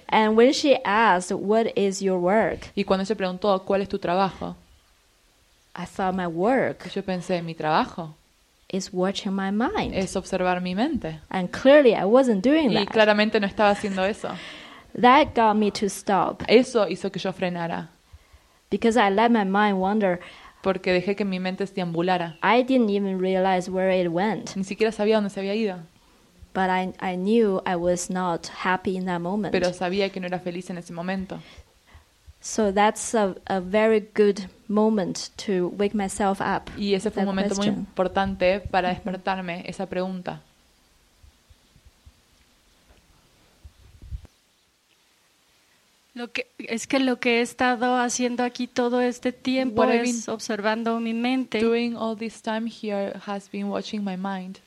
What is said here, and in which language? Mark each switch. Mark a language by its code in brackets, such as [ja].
[en] And when she asked, "What is your work?" [es] Y cuando se preguntó cuál es tu trabajo, [en] I thought my work. [es] Yo pensé mi trabajo. [en] Is watching my mind. [es] Es observar mi mente. [en] And clearly, I wasn't doing that. [es] Y claramente no estaba haciendo eso. [en] That got me to stop. [es] Eso hizo que yo frenara. [en] Because I let my mind wander. [es] Porque dejé que mi mente deambulara. [en] I didn't even realize where it went. [es] Ni siquiera sabía dónde se había ido. [en] But I knew I was not happy in that moment. [es] Pero sabía que no era feliz en ese momento. [en] So that's a very good moment to wake myself up. [es] Y ese fue un momento muy importante para despertarme esa pregunta. [en] Lisa, [es] Lo que he estado haciendo aquí todo este tiempo es observando mi mente. [en] Doing all this time here has been watching my mind.